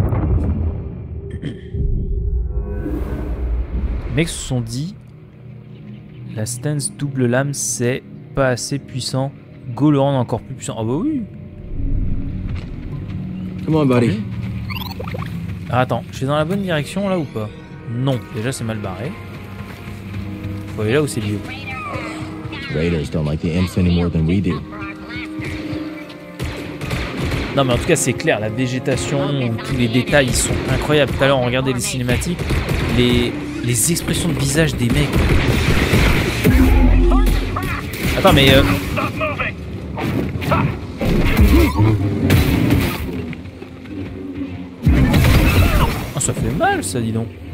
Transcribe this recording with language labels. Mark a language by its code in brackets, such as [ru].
[fr] Les mecs se sont dit, la stance double lame, c'est pas assez puissant. Go le rendre encore plus puissant. Oh bah oui. [en] Come on, buddy. [fr] Attends, je suis dans la bonne direction là ou pas? Non, déjà c'est mal barré. Faut aller là où c'est lieu. [en] Raiders don't like the imps any more than we do. [fr] Non mais en tout cas c'est clair, la végétation, tous les détails ils sont incroyables. Tout à l'heure on regardait les cinématiques, les expressions de visage des mecs. Attends mais oh, ça fait mal ça dis donc.